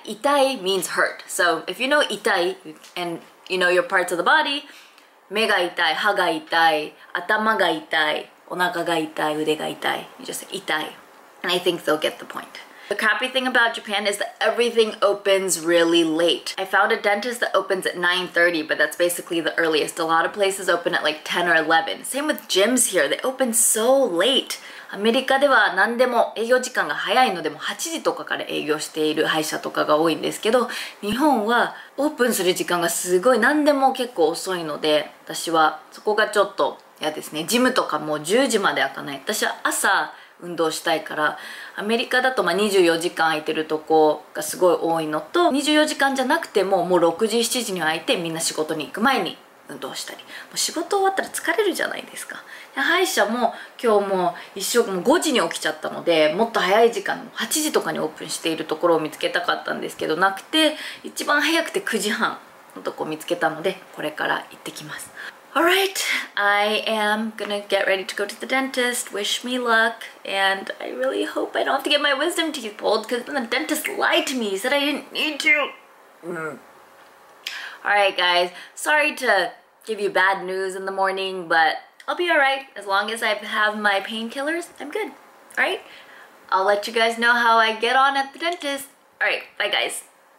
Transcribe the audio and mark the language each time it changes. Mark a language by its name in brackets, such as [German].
[English] 痛い means hurt. So if you know 痛い and you know your parts of the body, [Japanese] 目が痛い、歯が痛い、頭が痛い、お腹が痛い、腕が痛い。 [English] You just say 痛い。And I think they'll get the point. The crappy thing about Japan is that everything opens really late. I found a dentist that opens at 9:30, but that's basically the earliest. A lot of places open at like 10 or 11. Same with gyms here, they open so late. [Japanese] アメリカでは何でも営業時間が早いのでも8時とかから営業している歯医者とかが多いんですけど、日本はオープンする時間がすごい何でも結構遅いので、私はそこがちょっと嫌ですね。ジムとかも10時まで開かない。私は朝運動したいから、アメリカだとまあ24時間空いてるとこがすごい多いのと、24時間じゃなくてももう6時7時に空いてみんな仕事に行く前に運動したり、もう仕事終わったら疲れるじゃないですか。歯医者も今日も一生もう5時に起きちゃったので、もっと早い時間の8時とかにオープンしているところを見つけたかったんですけど、なくて一番早くて9時半のとこ見つけたので、これから行ってきます。 [English] Alright, I am gonna get ready to go to the dentist. Wish me luck. And I really hope I don't have to get my wisdom teeth pulled, because the dentist lied to me. He said I didn't need to. Alright guys, sorry to give you bad news in the morning, but I'll be alright. As long as I have my painkillers, I'm good. Alright? I'll let you guys know how I get on at the dentist. Alright, bye guys.